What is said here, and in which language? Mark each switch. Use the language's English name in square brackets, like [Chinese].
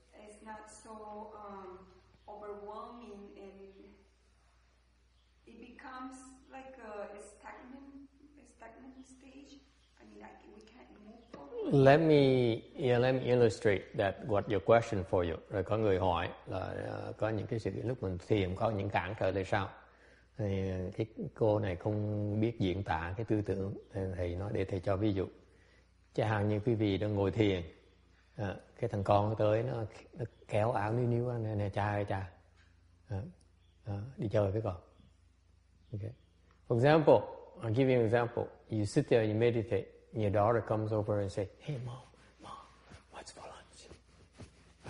[English] it's not so overwhelming and it becomes like a stagnant? stage? I mean, like we can't move forward. Let me illustrate that what your question for you. [Vietnamese] Rồi có người hỏi là có những cái sự lúc mình thiền có những cản trở là sao? Thì cái cô này không biết diễn tả cái tư tưởng, thầy nói để thầy cho ví dụ. Chẳng hạn như quý vị đang ngồi thiền, cái thằng con tới nó kéo áo níu níu anh nè cha ơi cha, đi chơi với con. [English] Okay. For example, I'll give you an example. You sit there, you meditate, and your daughter comes over and say, "Hey, mom, what's for lunch?